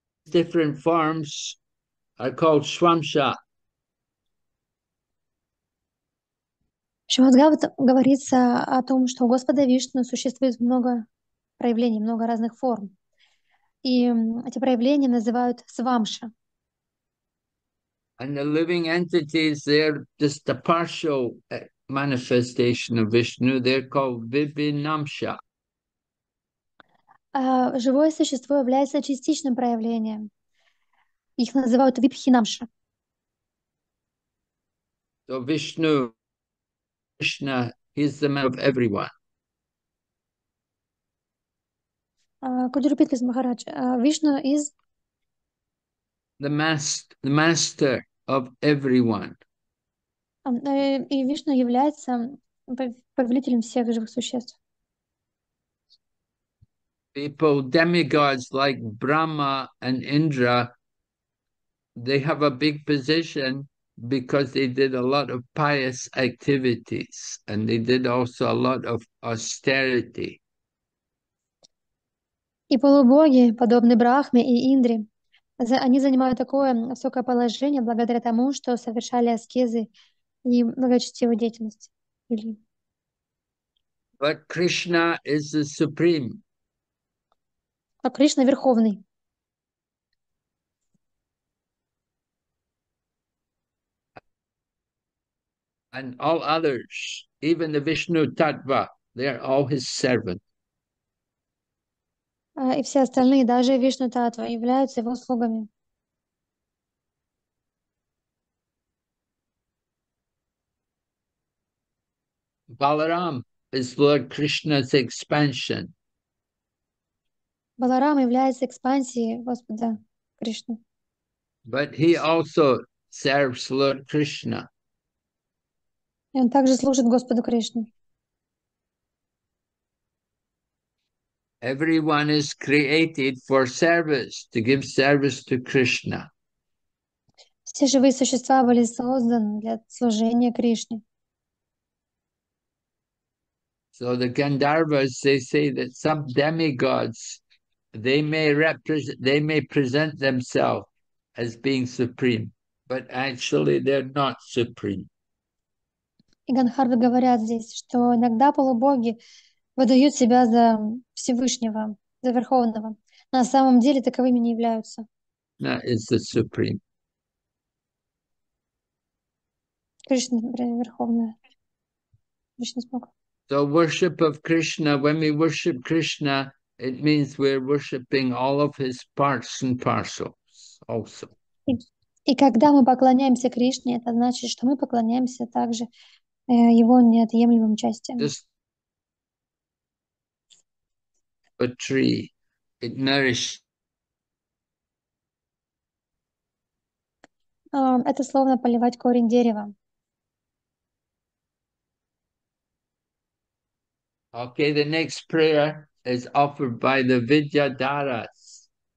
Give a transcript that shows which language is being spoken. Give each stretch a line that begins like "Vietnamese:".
English: Different forms are called swamsha.
Russian: Шримад-Бхагаватам говорится о том, что у Господа Вишну существует много проявлений, много разных форм. И эти проявления называют свамша.
English: And the living entities, they're just a partial manifestation of Vishnu. They're called Vibhinamsha.
Russian: Живое существо является частичным проявлением. Их называют випхинамша.
English: So Vishnu, Krishna, he's the man of everyone. Could you repeat this, Maharaj? Vishnu is The master of everyone.
Russian: и Вишну является повелителем всех живых существ.
English: People, demigods like Brahma and Indra, they have a big position because they did a lot of pious activities and they did also a lot of austerity.
Russian: И полубоги, подобные Брахме и Индре, они занимают такое высокое положение благодаря тому, что совершали аскезы и благочестивую деятельность. Или...
English: But Krishna is the supreme.
Russian: А Кришна верховный.
English: And all others, even the Vishnu Tattva, they are all his servants.
Russian: И все остальные, даже Вишну Татва, являются его слугами.
English: Balaram is Lord Krishna's expansion.
Russian: Баларам является экспансией Господа Кришны.
English: But he also serves Lord Krishna.
Russian: И он также служит Господу Кришне.
English: Everyone is created for service, to give service to Krishna.
Russian: Все живые существа были созданы для служения Кришне.
English: So the Gandharvas, they say that some demigods, they may present themselves as being supreme, but actually they're not supreme.
Russian: И Гандхарвы говорят здесь, что иногда полубоги выдают себя за Всевышнего, за Верховного. На самом деле таковыми не являются.
English: That is the supreme.
Russian: Кришна, например, Верховная. Кришна Бог.
English: So worship of Krishna, when we worship Krishna, it means we're worshipping all of his parts and parcels also.
Russian: И когда мы поклоняемся Кришне, это значит, что мы поклоняемся также его неотъемлемым частям.
English: A tree, it nourishes.
Russian: Это словно поливать корень дерева.
English: Okay, the next prayer is offered by the Vidyadharas.